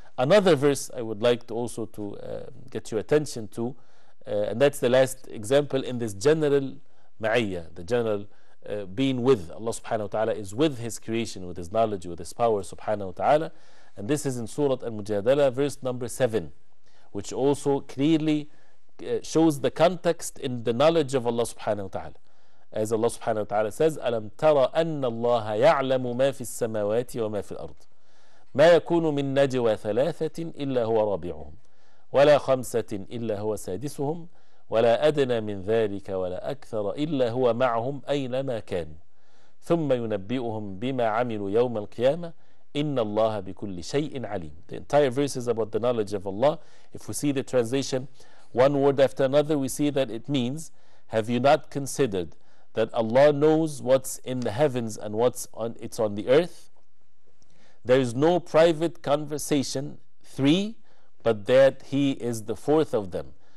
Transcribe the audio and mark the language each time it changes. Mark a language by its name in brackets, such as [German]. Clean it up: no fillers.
[English] Another verse I would like to also to get your attention to, and that's the last example in this general ma'iyya, the general being with Allah subhanahu wa ta'ala, is with his creation, with his knowledge, with his power subhanahu wa ta'ala. And this is in Surah Al-Mujadala, verse number 7, which also clearly shows the context in the knowledge of Allah subhanahu wa ta'ala. As Allah subhanahu wa ta'ala says, [Arabic] أَلَمْ تَرَ أَنَّ اللَّهَ يَعْلَمُ مَا فِي السَّمَاوَاتِ وَمَا فِي الْأَرْضِ مَا يَكُونُ مِنْ نَجْوَى ثَلَاثَةٍ إِلَّا هُوَ رَابِعُهُمْ وَلَا خَمْسَةٍ إِلَّا هُوَ سَادِسُهُمْ وَلَا أَدْنَى مِنْ ذَلِكَ وَلَا أَكْثَرَ إِلَّا هُوَ مَعَهُمْ أَيْنَمَا كَانُوا ثُمَّ يُنَبِّئُهُمْ بِمَا عَمِلُوا يَوْمَ الْقِيَامَةِ إِنَّ اللَّهَ بِكُلِّ شَيْءٍ عَلِيمٌ. [English] The entire verse is about the knowledge of Allah. If we see the translation one word after another, we see that it means, have you not considered that Allah knows what's in the heavens and it's on the earth? There is no private conversation, three, but that He is the fourth of them.